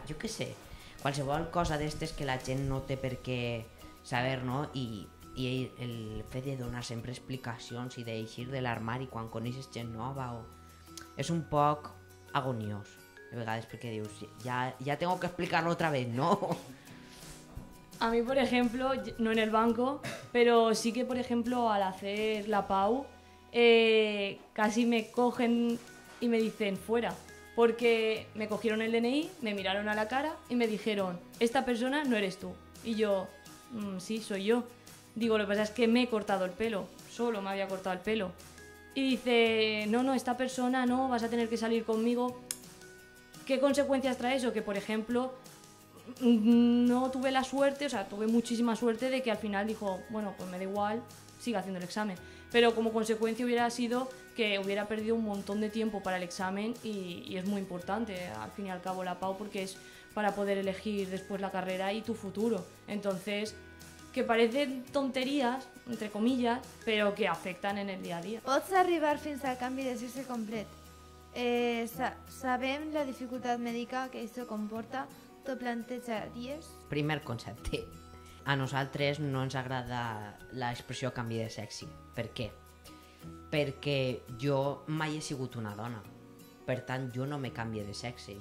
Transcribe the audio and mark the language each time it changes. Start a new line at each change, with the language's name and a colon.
Catalan: Jo què sé, qualsevol cosa d'estes que la gent no té per què saber, no? I el fet de donar sempre explicacions i d'eixir de l'armari quan coneixes gent nova és un poc agoniós.
Spanish: De vegades porque dios, ya tengo que explicarlo otra vez, ¿no? A mí, por ejemplo, no en el banco, pero sí que, por ejemplo, al hacer la PAU, casi me cogen y me dicen fuera, porque me cogieron el DNI, me miraron a la cara y me dijeron, esta persona no eres tú. Y yo, sí, soy yo. Digo, lo que pasa es que me he cortado el pelo, solo me había cortado el pelo. Y dice, no, esta persona no, vas a tener que salir conmigo. ¿Qué consecuencias trae eso? Que, por ejemplo, no tuve la suerte, o sea, tuve muchísima suerte de que al final dijo, bueno, pues me da igual, siga haciendo el examen. Pero como consecuencia hubiera sido que hubiera perdido un montón de tiempo para el examen y es muy importante, al fin y al cabo, la PAU, porque es para poder elegir después la carrera y tu futuro. Entonces, que parecen tonterías, entre comillas, pero que afectan en el día a día.
Catalan: ¿Pots arribar fins al canvi de sexe complet? Sabem la dificultat mèdica que això comporta, t'ho plantejaries? Primer concepte. A nosaltres no ens agrada l'expressió canvi de sexe. Per què? Perquè jo mai he sigut una dona. Per tant, jo no me canvio de sexe.